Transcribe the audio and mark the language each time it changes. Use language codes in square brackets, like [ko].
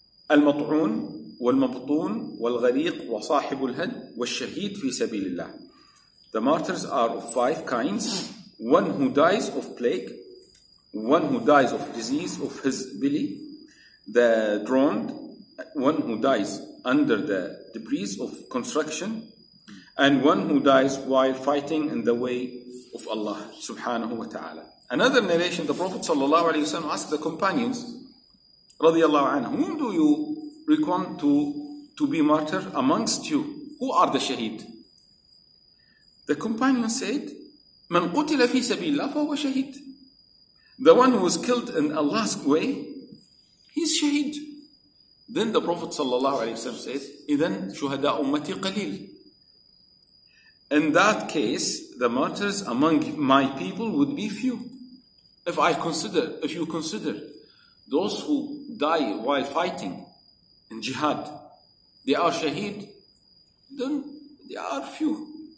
[ar] المطعون والمبطون والغريق وصاحب الهد والشهيد في سبيل الله. [en] The martyrs are of five kinds. One who dies of plague, one who dies of disease of his belly, the drowned, one who dies under the debris of construction, and one who dies while fighting in the way of Allah subhanahu wa ta'ala. Another narration, the Prophet sallallahu alayhi wa sallam asked the companions, radiallahu anhu, whom do you reckon to be martyr amongst you? Who are the shaheed? The companions said, [ar] من قتل في سبيل الله فهو شهيد. [en] The one who was killed in Allah's way, he's shaheed. Then the Prophet sallallahu alayhi wa sallam said, [ar] إذن شهداء أمتي قليل. [en] In that case, the martyrs among my people would be few. If you consider those who die while fighting in jihad, they are shaheed, then they are few.